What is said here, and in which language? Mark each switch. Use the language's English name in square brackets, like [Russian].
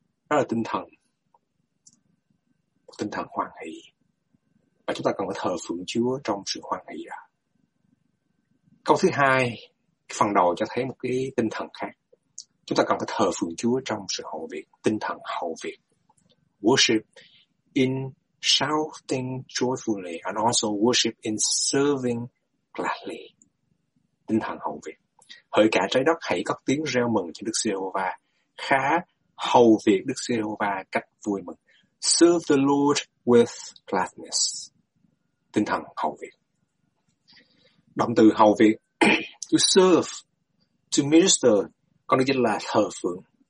[Vietnamese] Đó là tinh thần, một tinh thần hoan hỷ. Và chúng ta cần phải thờ phượng Chúa trong sự hoan hỷ đó. Câu thứ hai, phần đầu cho thấy một cái tinh thần khác. Chúng ta cần phải thờ phượng Chúa trong sự hậu việc, tinh thần hậu việc. [English] Worship in shouting joyfully and also worship in serving gladly. [Vietnamese] Tinh thần hậu việc. Hỡi cả trái đất, hãy cất tiếng reo mừng cho Đức Giê-hô-va. Khá hầu việc Đức Giê-hô-va cách vui mừng. [English] Serve the Lord with gladness. [Vietnamese] Tinh thần hầu việc. Động từ hầu việc, to serve, to minister, còn được dịch là thờ phượng.